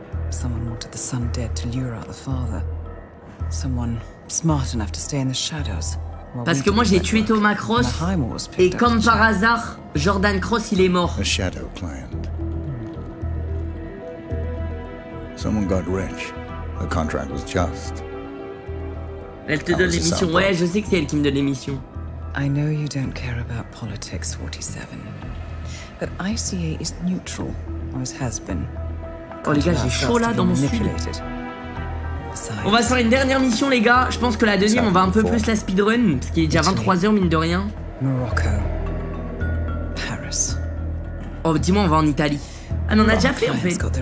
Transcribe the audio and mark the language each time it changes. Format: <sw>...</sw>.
<en>Someone wanted the son dead to lure out the father. Someone smart enough to stay in the shadows.</en> <fr>Parce que moi j'ai tué Thomas Cross et comme par hasard, Jordan Cross il est mort.</fr> <en>A shadow client. Someone got rich. The contract was just.</en> <fr>Elle te donne l'émission. Ouais, je sais que c'est elle qui me donne l'émission.</fr> <en>I know you don't care about politics, 47. But ICA is neutral, or it has been.</en> <fr>Oh les gars, j'ai chaud là dans mon sud. On va faire une dernière mission les gars. Je pense que la deuxième, on va un peu plus la speedrun, parce qu'il est déjà 23h mine de rien. Morocco. Paris. Oh, dis-moi, on va en Italie. Ah mais on a déjà fait en fait.</fr>